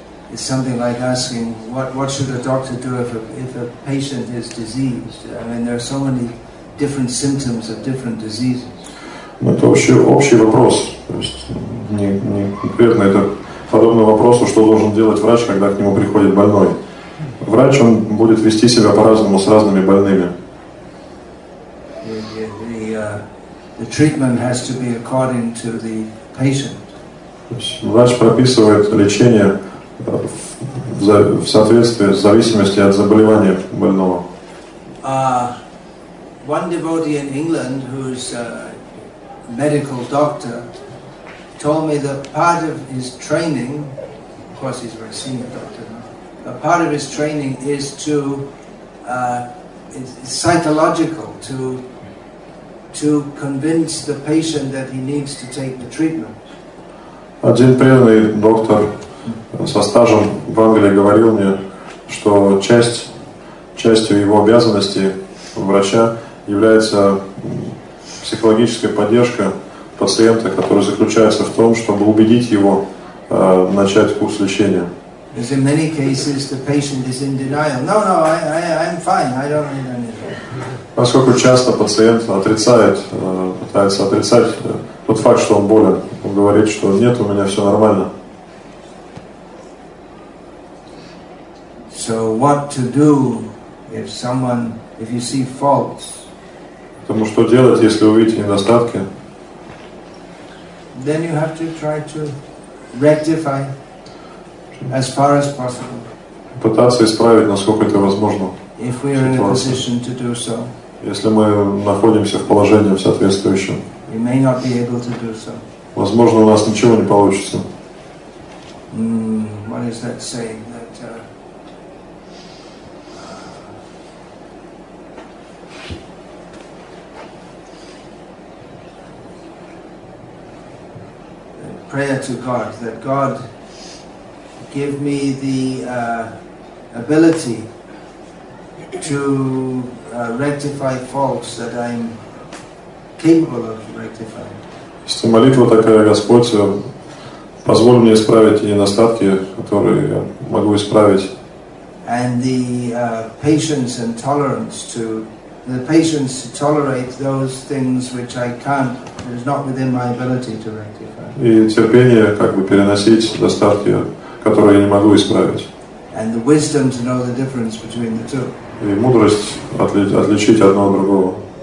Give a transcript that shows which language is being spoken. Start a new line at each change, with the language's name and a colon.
English: it's something like asking, what should a doctor do if a patient is diseased? I mean, there are so many different symptoms of different diseases.
Russian: Это вообще общий вопрос, то есть не конкретно это подобно вопросу, что должен делать врач, когда к нему приходит больной. Врач, он будет вести себя по-разному с разными больными.
English: The treatment has to be according to the patient.
Russian: Врач прописывает лечение в соответствии, в зависимости от заболевания больного.
English: One devotee in England who's medical doctor told me that part of his training, of course he's a very senior doctor now, but part of his training is to, it's psychological, to convince the patient that he needs to take the treatment.
Russian: Один преданный доктор со стажем в Англии говорил мне, что частью его обязанности врача является психологическая поддержка пациента, которая заключается в том, чтобы убедить его начать курс лечения.
English: As in many cases, the patient is in denial. No, I'm fine. I don't need anything.
Russian: Поскольку часто пациент отрицает, пытается отрицать тот факт, что он болен, он говорит, что нет, у меня все нормально.
English: So what to do if someone, if you see faults?
Russian: Потому что делать, если увидите недостатки?
English: Then you have to try to rectify as far as possible.
Russian: Пытаться исправить, насколько это возможно.
English: If we are in a position to do so.
Russian: Если мы находимся в положении соответствующем.
English: You may not be able to do so.
Russian: Возможно, у нас ничего не получится.
English: What is that saying? That prayer to God, that God give me the ability to rectify faults that I'm capable of rectifying.
Russian: Это молитва такая, Господь, позволь мне исправить недостатки, которые я могу исправить.
English: And the patience and tolerance to the patience to tolerate those things which I can't, is not within my ability to rectify.
Russian: И терпение, как бы переносить недостатки, которые я не могу исправить.
English: And the wisdom to know the difference between the two.
Russian: И мудрость отличить одно от другого.